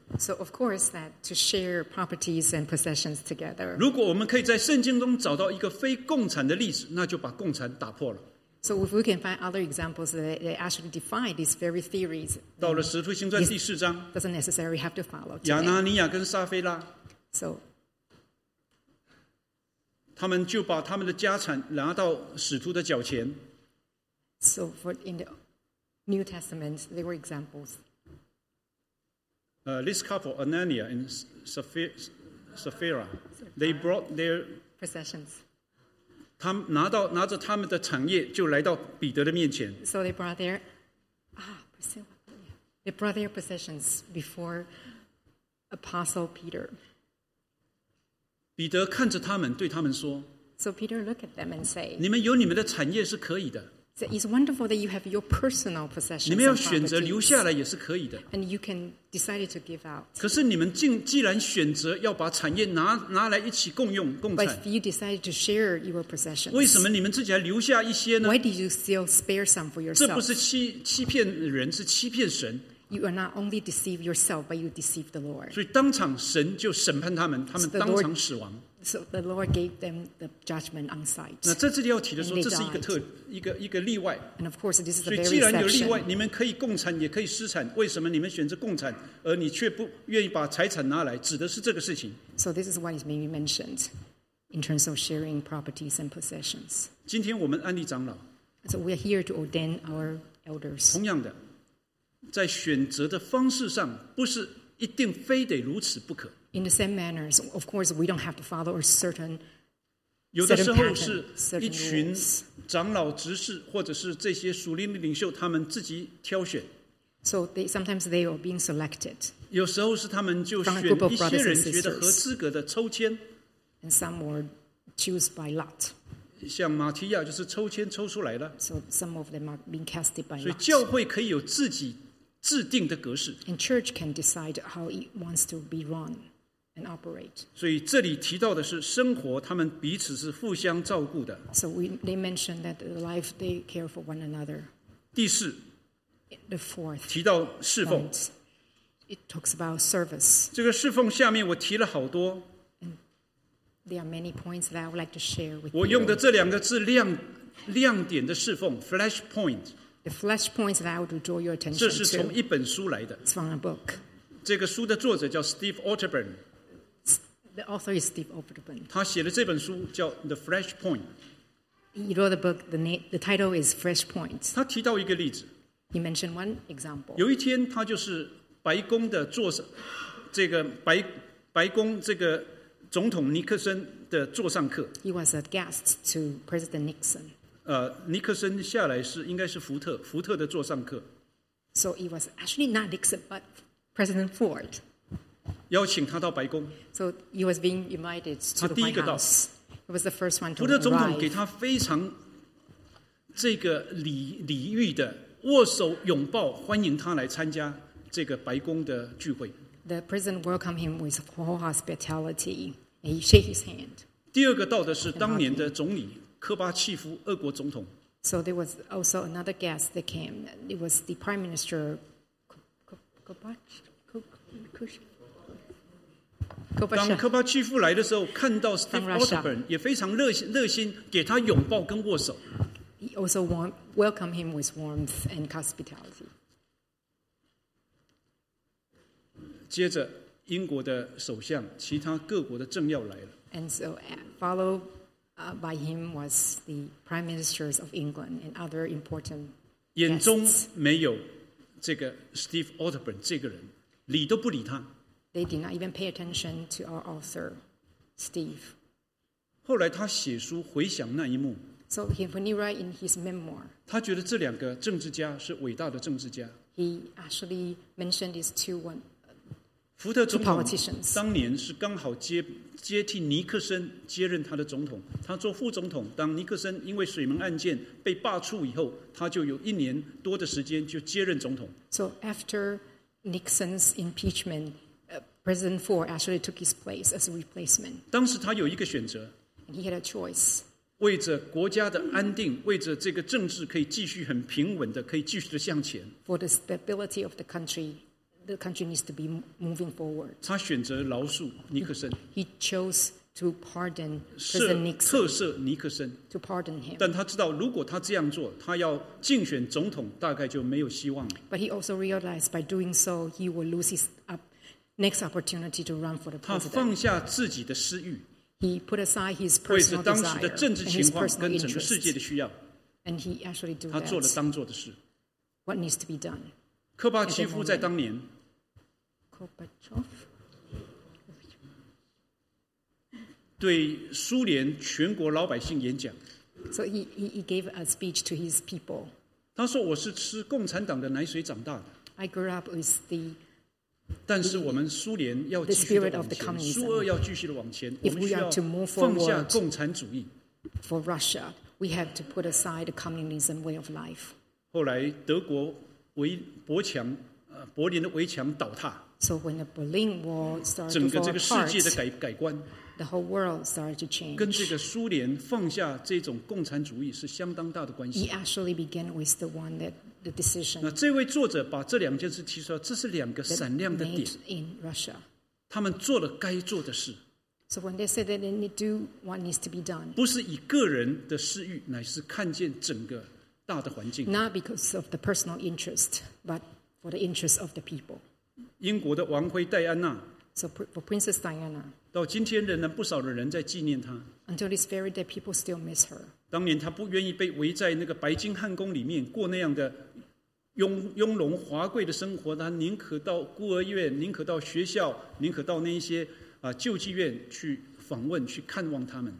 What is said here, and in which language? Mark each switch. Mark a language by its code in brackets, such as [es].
[en] So of course that to share properties and possessions together. [zh] 如果我们可以在圣经中找到一个非共产的例子，那就把共产打破了。 [en] So if we can find other examples that they actually define these very theories, [zh] 到了《使徒行传》第四章 [en] ，doesn't necessarily have to follow. [zh] 亚拿尼亚跟撒菲拉。 [en] So. [zh] 他们就把他们的家产拿到使徒的脚前。 [en] So for in the New Testament, there were examples. This couple, Anania and Sapphira, they brought their possessions. [zh] 他们拿着他们的产业，就来到彼得的面前。 [en] So they brought their they brought their possessions before Apostle Peter. [zh] 彼得看着他们，对他们说 [en] ：“So Peter look at them and say， [zh] 你们有你们的产业是可以的。 [en] So、it's wonderful that you have your personal possessions. [zh] 你们要选择留下来也是可以的。 [en] And you can decide to give out. [zh] 可是你们既然选择要把产业拿来一起共用共产 [en] ，But if you decided to share your possessions， [zh] 为什么你们自己还留下一些呢 [en] ？Why did you still spare some for yourself？ [zh] 这不是欺骗人，是欺骗神。” [en] You are not only deceive yourself, but you deceive the Lord. [zh] 所以当场神就审判他们，他们当场死亡。 [en] So the Lord gave them the judgment on sight. [zh] 那在这里要提的说，这是一个例外。 [en] And of course, this is a very exception. [zh] 所以既然有例外，你们可以共产，也可以私产。为什么你们选择共产，而你却不愿意把财产拿来？指的是这个事情。 [en] So this is what is being mentioned in terms of sharing properties and possessions. [zh] 今天我们安立长老。 [en] So we are here to ordain our elders. [zh] 同样的。在选择的方式上，不是一定非得如此不可。 [en] In the same manner, of course, we don't have to follow a certain. [zh] 有的时候是一群长老执事，或者是这些属灵的领袖，他们自己挑选。 [en] So they sometimes they are being selected. [zh] 有时候是他们就选一些人觉得合资格的抽签。 [en] And some were chosen by lot. [zh] 像马提亚就是抽签抽出来的 [en] so some of them are being casted by lots. [zh] 所以教会可以有自己制定的格式 [en] and church can decide how it wants to be run and operate. [zh] 所以这里提到的是生活他们彼此是互相照顾的 [en] so they mentioned that the life they care for one another. [zh] 第四 [en] the fourth [zh] 提到侍奉 [en] it talks about service. [zh] 这个侍奉下面我提了好多 [en] There are many points that I would like to share with you. [zh] 我用的这两个字亮点的侍奉 flash point. [en] The flash points that I would draw your attention to. 这 [zh] 是从一本书来的。 [en] It's from a book. [zh] 这个书的作者叫 Steve Otterburn. [en] The author is Steve Otterburn. [zh] 他写的这本书叫 The Flash Point. [en] He wrote the book. The title is Flash Point. [zh] 他提到一个例子。 [en] He mentioned one example. [zh] 有一天，他就是白宫的座上，这个白宫这个。总统尼克森的座上客。 [en] He was a guest to President Nixon. [zh] 尼克森下来是应该是福特的座上客。 [en] So it was actually not Nixon, but President Ford. [zh] 邀请他到白宫。 [en] So he was being invited to the White House. He was the first one to arrive. [zh] 福特总统给他非常这个礼遇的握手拥抱欢迎他来参加这个白宫的聚会。 [en] The president welcomed him with full hospitality. He shook his hand. [zh] 第二个到的是当年的总理科巴契夫，俄国总统。 [en] So there was also another guest that came. It was the Prime Minister Kubashev. [zh] 当科巴契夫来的时候，看到 Steve Osborne 也非常热心，给他拥抱跟握手。 [en] He also welcomed him with warmth and hospitality. [zh] 接着，英国的首相，其他各国的政要来了。 [en] And so followed by him was the prime ministers of England and other important guests. [zh] 眼中没有这个 Steve Osborne 这个人，理都不理他。 [en] They did not even pay attention to our author, Steve. [zh] 后来他写书回想那一幕。 [en] So he, when he write in his memoir, [zh] 他觉得这两个政治家是伟大的政治家。 [en] He actually mentioned these two [zh] 福特总统当年是刚好 接替尼克森接任他的总统，他做副总统，当尼克森因为水门案件被罢黜以后，他就有一年多的时间就接任总统。 [en] So after Nixon's impeachment, President Ford actually took his place as a replacement. [zh] 当时他有一个选择。 [en] He had a choice. [zh] 为着国家的安定，为着这个政治可以继续很平稳的，可以继续的向前。 [en] For the stability of the country needs to be moving forward. [zh] 他选择饶恕尼克森。 [en] He chose to pardon President Nixon. [zh] 特赦尼克森。 [en] To pardon him. [zh] 但他知道，如果他这样做，他要竞选总统，大概就没有希望了。 [en] But he also realized by doing so, he will lose his next opportunity to run for the president. [zh] 他放下自己的私欲。 [en] He put aside his personal desire and his personal interest. [zh] 跟整个世界的需要。 [en] And he actually did that. [zh] 他做了当做的事。 [en] What needs to be done? [zh] 科巴契夫在当年。 [en] Gorbachev. [zh] 对苏联全国老百姓演讲。 [en] So he gave a speech to his people. [zh] 他说我是吃共产党的奶水长大的。 [en] I grew up with the... [zh] 但是我们苏联要继续的往前，苏俄要继续的往前，我们需要放下共产主义。 [en] For Russia, we have to put aside the communism way of life. [zh] 后来德国柏林的围墙倒塌。 [en] So when the Berlin Wall started to fall apart, [zh] 整个这个世界的改观 [en] ，the whole world started to change. [zh] 跟这个苏联放下这种共产主义是相当大的关系。 [en] He actually began with the one that. The decision [zh] 那这位作者把这两件事提出来，这是两个闪亮的点。 [en] In Russia, [zh] 他们做了该做的事。 [en] So when they say that they need to do what needs to be done, [zh] 不是以个人的私欲，乃是看见整个大的环境。 [en] Not because of the personal interest, but for the interest of the people. [zh] 英国的王妃戴安娜 [en] ，So for Princess Diana, [zh] 到今天仍然不少的人在纪念她。 [en] Until this very day, people still miss her. [zh] 当年她不愿意被围在那个白金汉宫里面过那样的。雍容华贵的生活，他宁可到孤儿院，宁可到学校，宁可到那些救济院去访问，去看望他们。